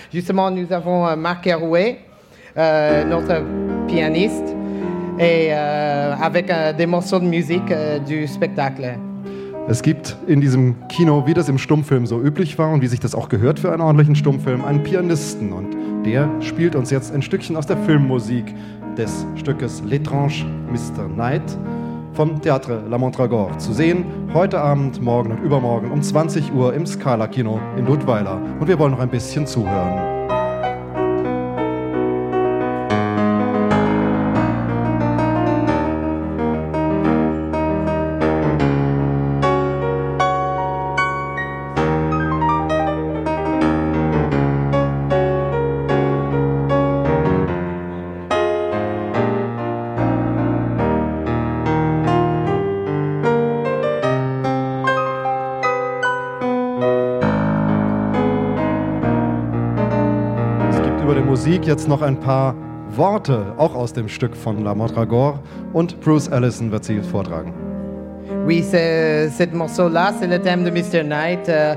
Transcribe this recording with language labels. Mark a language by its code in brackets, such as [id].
[fr] Justement, nous avons Marc Hervé, notre pianiste, et avec des morceaux de musique du spectacle. [de] Es gibt in diesem Kino, wie das im Stummfilm so üblich war und wie sich das auch gehört für einen ordentlichen Stummfilm, einen Pianisten und der spielt uns jetzt ein Stückchen aus der Filmmusik des Stückes L'étrange Mr. Knight vom Théâtre La Mandragore zu sehen heute Abend, morgen und übermorgen um 20 Uhr im Scala Kino in Duttweiler und wir wollen noch ein bisschen zuhören. Jetzt noch ein paar Worte, auch aus dem Stück von La Mandragore, und Bruce Allison wird sie vortragen. [fr] Oui, cet morceau-là, c'est le thème de Mr. Knight.